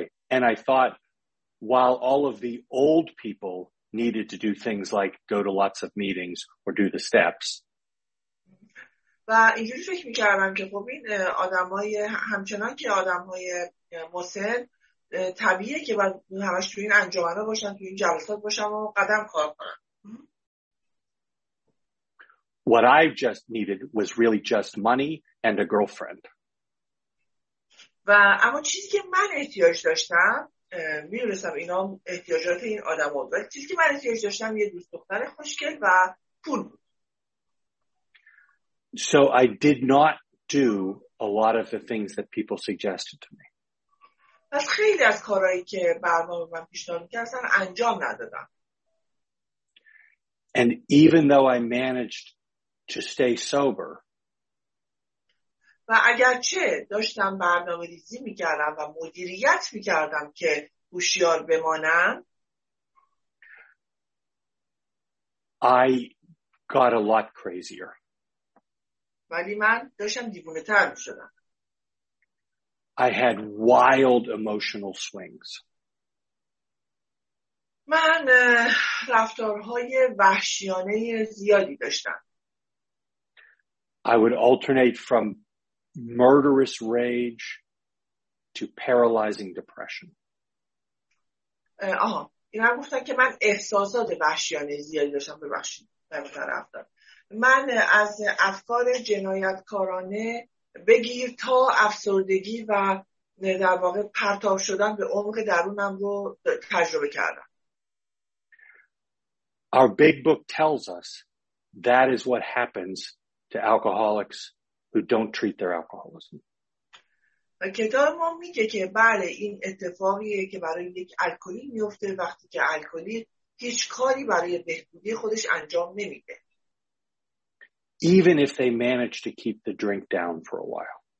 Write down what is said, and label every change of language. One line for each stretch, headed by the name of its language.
English: And I thought while all of the old people needed to do things like go to lots of meetings or do the steps.
Persian: و اینجوری فکر می‌کردم که خب این آدمای همچنان که آدمای مسن طبیعیه که باید همش تو این انجمنا باشن تو این جلسات باشن و قدم کار کنن.
English: What I just needed was really just money and a girlfriend.
Persian: و اما چیزی که من احتیاج داشتم می‌دونستم اینا احتیاجات این آدم بود. ولی چیزی که من احتیاج داشتم یه دوست دختر خوشگل و پول بود.
English: So I did not do a lot of the things that people suggested to me.
Persian: پس خیلی از کارهایی که برنامه من پیشنهاد می‌کردن انجام ندادم.
English: And even though I managed to stay sober.
Persian: و اگرچه داشتم برنامه‌ریزی می‌کردم و مدیریت می‌کردم که هوشیار بمانم.
English: I got a lot crazier.
Persian: ولی من داشتم دیوونه‌تر می‌شدم.
English: I had wild emotional swings.
Persian: من رفتارهای وحشیانه زیادی داشتم.
English: I would alternate from murderous rage to paralyzing depression.
Persian: اینا گفتن که من احساسات وحشیانه زیادی داشتم به وحشی در افتادم. من از افکار جنایتکارانه بگیر تا افسردگی و در واقع پرتاب شدن به عمق درونم رو تجربه کردم.
English: Our big book tells us that is what happens to alcoholics who don't treat their alcoholism.
Persian: کتاب ما میگه که بله این اتفاقیه که برای یک الکلی میفته وقتی که الکلی هیچ کاری برای بهبودی خودش انجام نمیده.
English: Even if they manage to keep the drink down for a while.